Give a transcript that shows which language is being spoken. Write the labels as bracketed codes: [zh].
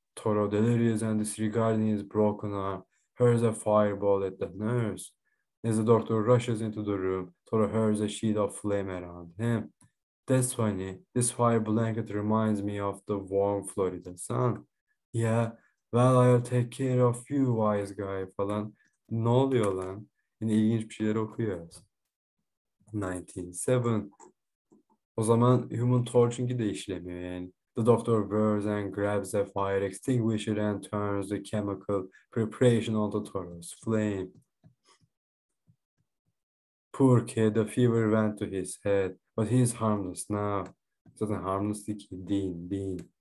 [en] Toro delirious and disregarding his broken arm. Hurls a fireball at the nurse. As the doctor rushes into the room, Toro hurls a sheet of flame around him. That's funny. This fire blanket reminds me of the warm Florida sun. Yeah, well, I'll take care of you, wise guy [tr] falan. Ne oluyor lan? Yine ilginç bir şeyler okuyoruz. 19.7. O zaman Human Torch'unki de işlemiyor yani. [en] The doctor burns and grabs a fire extinguisher and turns the chemical preparation on the Toro's flame. Poor kid, the fever went to his head. But he's harmless now. [tr] Zaten harmlessdi ki. [en] Dean.